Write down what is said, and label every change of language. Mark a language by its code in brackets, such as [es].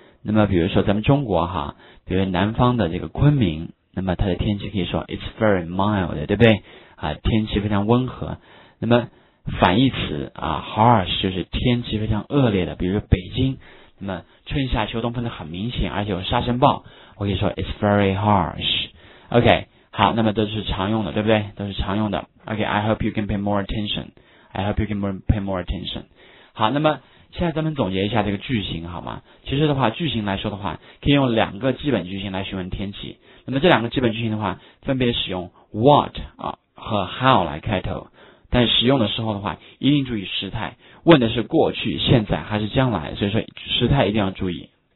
[zh] 那么比如说咱们中国哈，比如南方的这个昆明，那么它的天气可以说 [en] it's very mild， [zh] 对不对啊？天气非常温和。那么反义词啊 harsh 就是天气非常恶劣的，比如说北京，那么春夏秋冬分得很明显，而且有沙尘暴，我可以说 [en] it's very harsh。 [zh] OK， 好，那么都是常用的，对不对？都是常用的。 [en] OK， I hope you can pay more attention， I hope you can pay more attention。 [zh] 好，那么现在咱们总结一下这个句型好吗？其实的话句型来说的话，可以用两个基本句型来询问天气。那么这两个基本句型的话，分别使用 what 啊和 how 来开头，但使用的时候的话一定注意时态，问的是过去、现在还是将来，所以说时态一定要注意。